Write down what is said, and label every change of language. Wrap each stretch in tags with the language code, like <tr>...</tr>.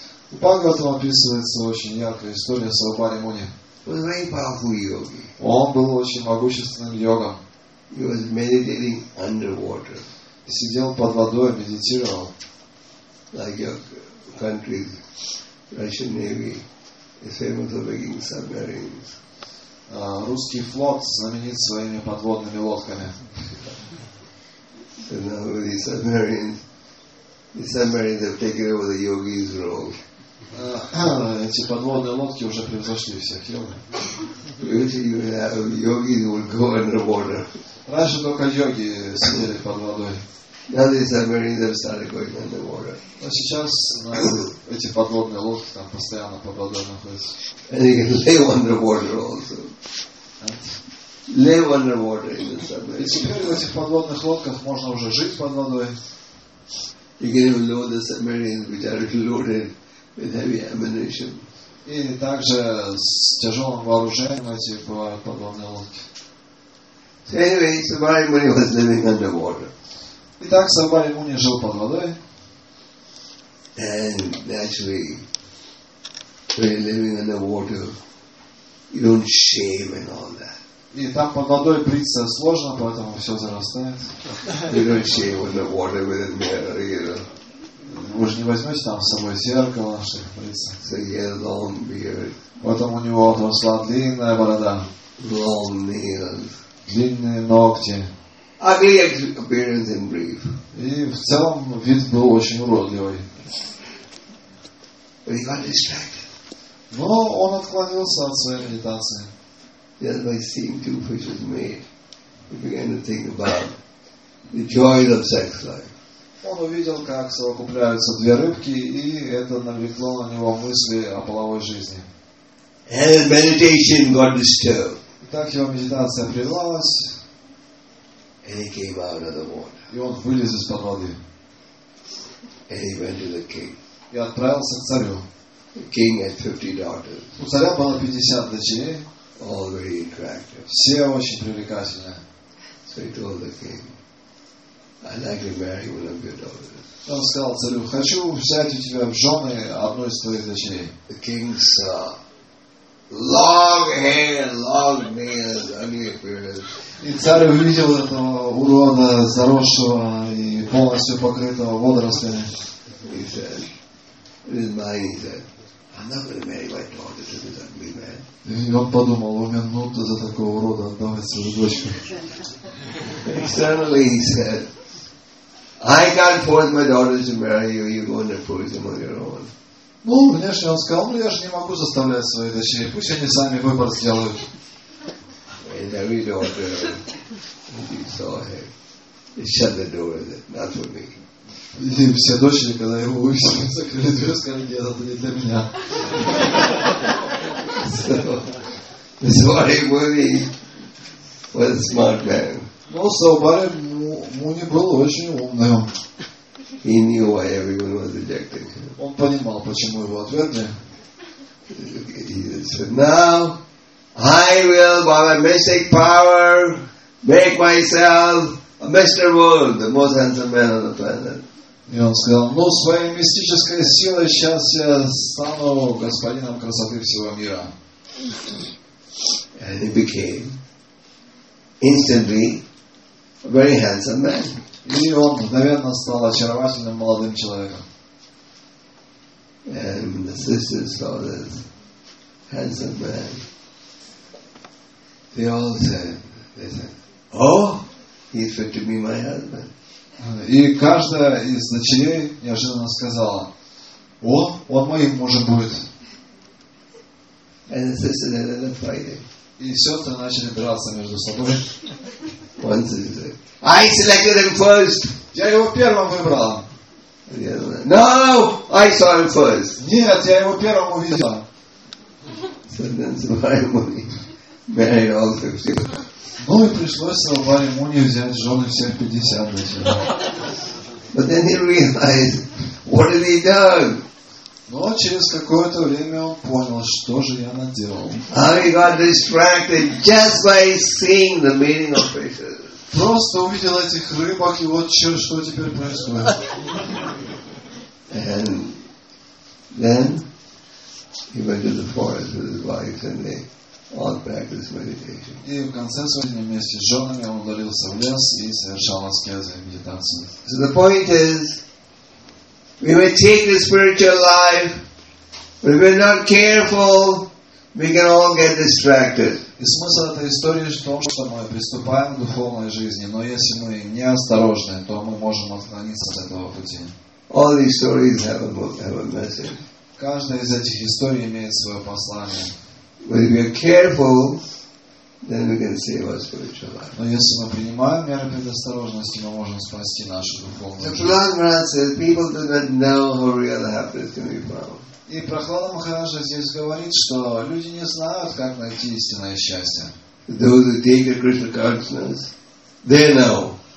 <ru>Бхагаватам описывается очень яркая история Савабари Муни. Он был очень могущественным йогом.</ru> <en>He was meditating underwater.</en> <ru>Сидел под водой, медитировал.</ru> <en>Like your country's Russian Navy is famous for making submarines.</en> <ru>Русский флот знаменит своими подводными лодками.</ru> <en>So now with the submarines have taken over the yogi's role.</en> <ru>Эти подводные лодки уже превзошли всех йоги.</ru> <en>Йоги will go underwater.</en> <ru>Раньше только йоги сидели под водой.</ru> <en>Now the submarines have started going underwater.</en> <ru>А сейчас эти подводные лодки там постоянно под водой находятся.</ru> <en>And they can live underwater also. Live underwater in the submarines.</en> <ru>И теперь в этих подводных лодках можно уже жить под водой.</ru> <en>You can even load the submarines which are loaded with heavy ammunition.</en> <ru>И также с тяжелым вооружением эти бывают подводные лодки.</ru> <en>So anyway, Savai Muni was living underwater.</en> <ru>Итак, Савари Муни жил под водой.</ru> <en>And naturally, when you're living underwater, you don't shave and all that.</en> <ru>И там под водой бриться сложно, поэтому все зарастает.</ru> <en>You don't shave underwater with a mirror, you know.</en> <ru>Вы же не возьмете там с собой зеркало, чтобы бриться.</ru> <en>So he had a long beard.</en> <ru>Потом у него отросла длинная борода.</ru> <en>Long nails.</en> <ru>Длинные ногти.</ru> <en>Ugly appearance in brief.</en> <ru>И в целом вид был очень уродливый.</ru> <en>But he got distracted.</en> <ru>Но он отклонился от своей медитации.</ru> <en>Just by seeing two fishes mate. He began to think about the joys of sex life.</en> <ru>Он увидел, как совокупляются две рыбки, и это навлекло на него мысли о половой жизни.</ru> <en>And meditation got disturbed.</en> <ru>И так его медитация прервалась.</ru> <en>And he came out of the water.</en> <ru>И он вылез из-под воды.</ru> <en>And he went to the king.</en> <ru>И отправился к царю.</ru> <en>The king had 50 daughters.</en> <ru>У царя было 50 дочерей.</ru> <en>All very attractive.</en> <ru>Все очень привлекательные.</ru> <en>So he told the king, I'd like to marry one of your daughters.</en> <ru>Он сказал царю, хочу взять у тебя в жены одну из твоих дочерей.</ru> <en>The king's long hair, long nails, ugly appearance.</en> <ru>И царь увидел этого урода, заросшего и полностью покрытого водорослями.</ru> <en>He said, in his mind, he said, I'm not going to marry my daughter to this ugly man.</en> <ru>И он подумал, у меня минута за такого урода отдавать свою дочку.</ru> <en>Externally, he said, I can't force my daughter to marry you. You're going to force them on your own.</en> <ru>Ну, внешне он сказал, ну я же не могу заставлять своих дочерей, пусть они сами выбор сделают.</ru> <en>And every daughter, he saw her, he shut the door and said, not for me.</en> <ru>И все дочери, когда его увидели, закрыли дверь, сказали, нет, это не для меня.</ru> <en>So, Barim Muni was a smart man.</en> <ru>Ну,</ru> <en>so</en> <ru>Barim Muni был очень умным.</ru> <en>He knew why everyone was rejecting him.</en> <ru>Он понимал, почему его отвергли.</ru> <en>He said, now I will, by my mystic power, make myself a Mr. Moon, the most handsome man on the planet.</en> <ru>И он сказал, ну, своей мистической силой сейчас я стану господином красоты всего мира.</ru> <en>And he became instantly a very handsome man.</en> <ru>И он мгновенно стал очаровательным молодым человеком.</ru> <en>And the sisters saw this handsome man. They all said, they said, oh, he fit to be my husband.</en> <ru>И каждая из дочерей неожиданно сказала, о, он моим мужем будет.</ru> <en>And the sisters ended up fighting.</en> <ru>И сестры начали драться между собой.</ru> <en>One sister, I selected him first.</en> <ru>Я его первым выбрал.</ru> <en>No, I saw him first.</en> <ru>Нет, я его первым увидел.</ru> <en>So then Barim Muni married all 50.</en> <ru>Ну и пришлось его Барим Муни взять в жены всех 50 дочерей.</ru> <en>But then he realized, what did he done?</en> <ru>Но через какое-то время он понял, что же я наделал.</ru> <en>I got distracted just by seeing the meaning of fishes.</en> <ru>Просто увидел этих рыбок, и вот что теперь происходит.</ru> <en>And then he went to the forest with his wife and they all practiced meditation.</en> <ru>И в конце своего вместе с женами он удалился в лес и совершал аскезы и медитацию.</ru> <en>So the point is, we may take the spiritual life, but if we're not careful, we can all get distracted.</en> <ru>И смысл этой истории в том, что мы приступаем к духовной жизни, но если мы неосторожны, то мы можем отклониться от этого пути.</ru> <en>All these stories have a message.</en> <ru>Каждая из этих историй имеет свое послание.</ru> <en>But if we are careful, then we can save our spiritual life.</en> <ru>Но если мы принимаем меры предосторожности, мы можем спасти нашу духовную жизнь.</ru> <en>The Prahlad says, people do not know how real happiness can be found.</en> <ru>И Прохлада Махараджа здесь говорит, что люди не знают, как найти истинное счастье.</ru> <en>Those who take the Krishna consciousness, they know.</en>